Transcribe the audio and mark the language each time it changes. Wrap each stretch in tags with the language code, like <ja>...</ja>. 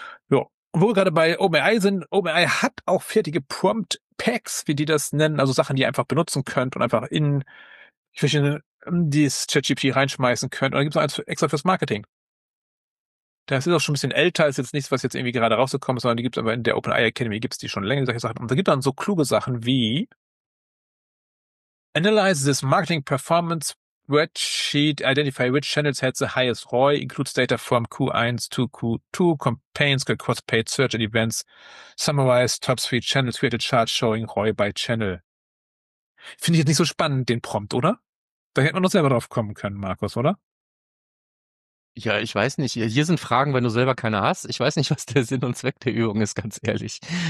<de>Ja, wo wir gerade bei OpenAI sind, OpenAI hat auch fertige Prompt-Packs, wie die das nennen, also Sachen, die ihr einfach benutzen könnt und einfach in verschiedene dieses ChatGPT reinschmeißen könnt. Und da gibt es noch eins extra fürs Marketing. Das ist auch schon ein bisschen älter, ist jetzt nichts, was jetzt irgendwie gerade rausgekommen ist, sondern die gibt es aber in der OpenAI Academy, gibt es die schon länger, solche Sachen. Und da gibt es dann so kluge Sachen wie</de> <en>Analyze this marketing performance spreadsheet, identify which channels had the highest ROI, includes data from Q1 to Q2, campaigns, cross paid search and events, summarize top 3 channels, create a chart showing ROI by channel.</en> <de>Finde ich jetzt nicht so spannend, den Prompt, oder? Da hätte man doch selber drauf kommen können, Markus, oder? Ja, ich weiß nicht. Hier sind Fragen, wenn du selber keine hast. Ich weiß nicht, was der Sinn und Zweck der Übung ist, ganz ehrlich.</de>